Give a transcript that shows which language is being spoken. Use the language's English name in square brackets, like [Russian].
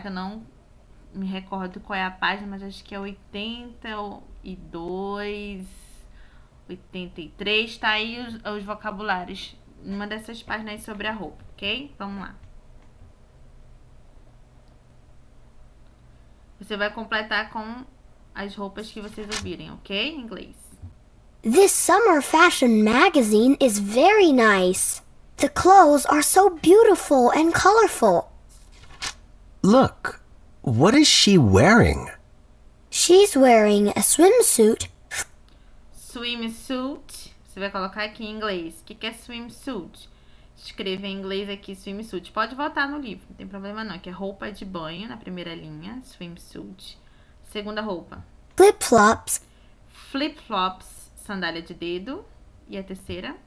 [Portuguese] Que eu não me recordo qual é a página, mas acho que é 82, 83, tá aí os vocabulários, numa dessas páginas sobre a roupa, ok? Vamos lá. Você vai completar com as roupas que vocês ouvirem, ok? Em inglês. [English] This summer fashion magazine is very nice. The clothes are so beautiful and colorful. Look, what is she wearing? She's wearing a swimsuit. Swimsuit. [Portuguese] Você vai colocar aqui em inglês. O que é swimsuit? Escreva em inglês aqui swimsuit. Pode voltar no livro, não tem problema não. Que é roupa de banho na primeira linha. Swimsuit. Segunda roupa. [English] Flip-flops. [Portuguese] Flip-flops. Sandália de dedo. E a terceira.